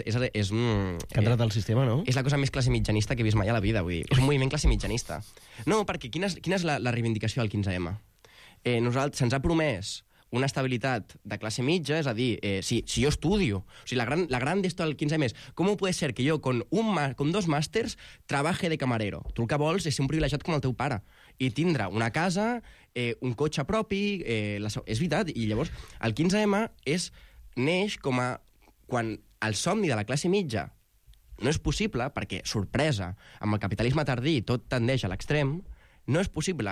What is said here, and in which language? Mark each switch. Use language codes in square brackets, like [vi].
[ca] que ha entrat al sistema, no? És la cosa més classe mitjanista que he vist mai a la vida, vull dir. És un moviment classe mitjanista. No, perquè quina és la reivindicació del 15M? Nosaltres se'ns ha promès una estabilitat de classe mitja, és a dir, si jo estudio... O sigui, la gran d'esto del 15M és... [es] ¿Cómo puede ser que yo, con dos màsters, trabaje de camarero? [ca] Tu el que vols és ser un privilegiat com el teu pare. I tindre una casa, un cotxe propi... és veritat. I llavors, el 15M neix com a... Quan el somni de la classe mitja no és possible, perquè, sorpresa, amb el capitalisme tardí tot tendeix a l'extrem, no és possible.